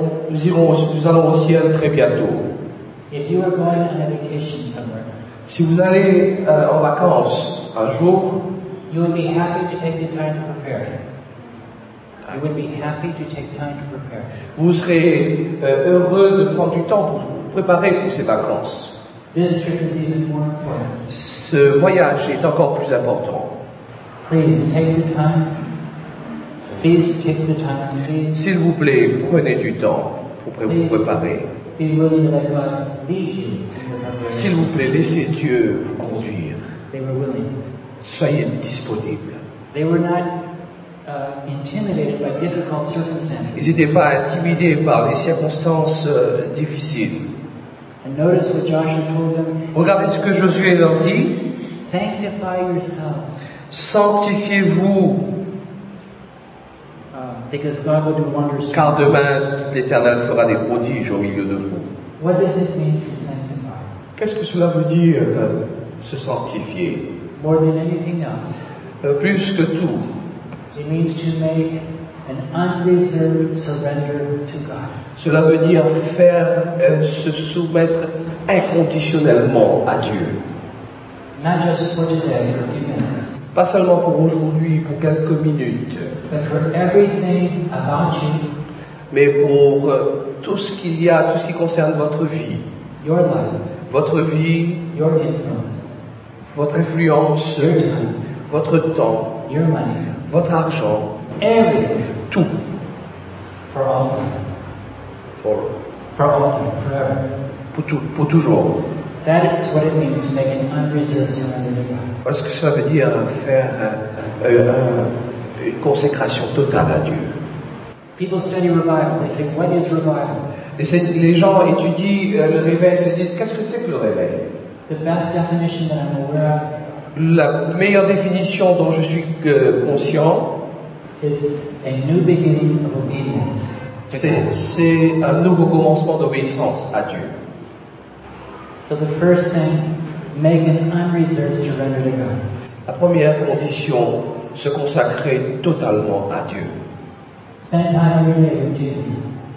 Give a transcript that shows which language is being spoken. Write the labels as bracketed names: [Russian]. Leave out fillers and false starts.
[French] Nous allons au ciel très bientôt. [English] If you are going on a vacation somewhere, [French] si vous allez en vacances un jour, [English] you would be happy to take the time to prepare. I would be happy to take time to prepare. [French] Vous serez heureux de prendre du temps pour vous préparer pour ces vacances. [English] This trip is even more important. [French] Ce voyage est encore plus important. [English] Please take the time. Please take the time. Please. [French] S'il vous plaît, prenez du temps pour vous préparer. [English] Be willing to let God lead you. [French] S'il vous plaît, laissez Dieu vous conduire. [English] They were willing. [French] Soyez disponible. [English] They were not intimidated by difficult circumstances. [French] Ils n'étaient pas intimidés par les circonstances difficiles. [English] And notice what Joshua told them. [French] Regardez ce que Josué leur dit. [English] Sanctify yourselves. [French] Sanctifiez-vous. [English] Because God will do wonders. [French] Car demain, l'Éternel fera des prodiges au milieu de vous. [English] What does it mean to sanctify? [French] Qu'est-ce que cela veut dire, se sanctifier? [English] More than anything else. [French] Plus que tout. [English] It means to make an unreserved surrender to God. [French] Cela veut dire faire se soumettre inconditionnellement à Dieu. [English] Not just for today, for a few minutes. [French] Pas seulement pour aujourd'hui, pour quelques minutes. [English] But for everything about you. [French] Mais pour tout ce qu'il y a, tout ce qui concerne votre vie. [English] Your life. [French] Votre vie. [English] Your influence. [French] Votre influence. [English] Your time. [French] Votre temps. [English] Your money. [French] Votre argent. [English] Everything. [French] Tout. [English] For all time. For all time. Forever. [French] Pour toujours. [English] That is what it means to make an unreserved surrender to God. [French] Parce que ça veut dire faire une consécration totale à Dieu. [English] People study revival. They say, what is revival? [French] Les gens étudient le réveil et se disent, qu'est-ce que c'est que le réveil? [English] The best definition that I'm aware of. [French] La meilleure définition dont je suis conscient. [English] It's a new beginning of obedience. [French] C'est un nouveau commencement d'obéissance à Dieu. [English] So the first thing, make an unreserved surrender to God. [French] La première condition, se consacrer totalement à Dieu. [English] Spend time every day with Jesus.